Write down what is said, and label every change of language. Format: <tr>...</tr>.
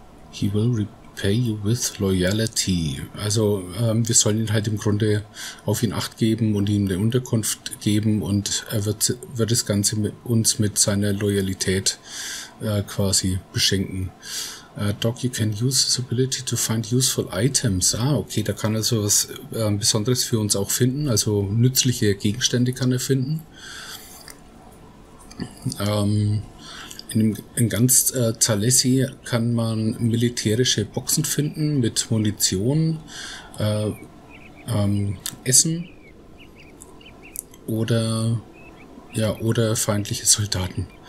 <en>He will repay you with loyalty.</en> <de>Also, wir sollen ihn halt im Grunde auf ihn Acht geben und ihm eine Unterkunft geben und er wird das Ganze mit uns mit seiner Loyalität quasi beschenken.</de> <en>Doc, you can use his ability to find useful items.</en> <de>Ah, okay, da kann er so was Besonderes für uns auch finden. Also nützliche Gegenstände kann er finden. In ganz Zalesi kann man militärische Boxen finden mit Munition, Essen oder ja oder feindliche Soldaten.</de>